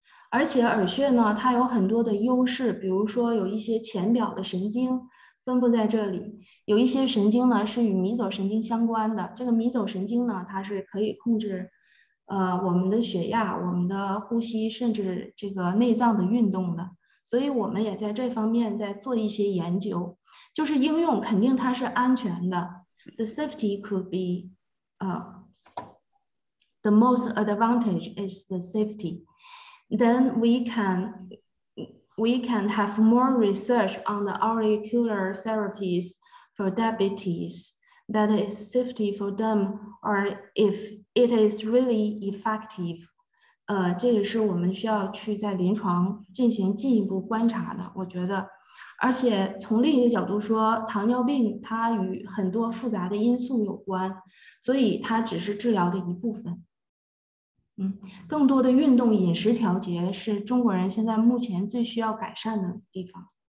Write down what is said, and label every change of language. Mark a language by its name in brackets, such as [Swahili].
[Chinese] 而且耳穴呢，它有很多的优势，比如说有一些浅表的神经分布在这里，有一些神经呢是与迷走神经相关的。这个迷走神经呢，它是可以控制，我们的血压、我们的呼吸，甚至这个内脏的运动的。所以我们也在这方面在做一些研究，就是应用肯定它是安全的。 [English] The safety could be, the most advantage is the safety. Then we can have more research on the auricular therapies for diabetes, that is safety for them, or if it is really effective. [Chinese] 这也是我们需要去在临床进行进一步观察的，我觉得。而且从另一个角度说，糖尿病它与很多复杂的因素有关，所以它只是治疗的一部分。更多的运动饮食调节是中国人现在目前最需要改善的地方。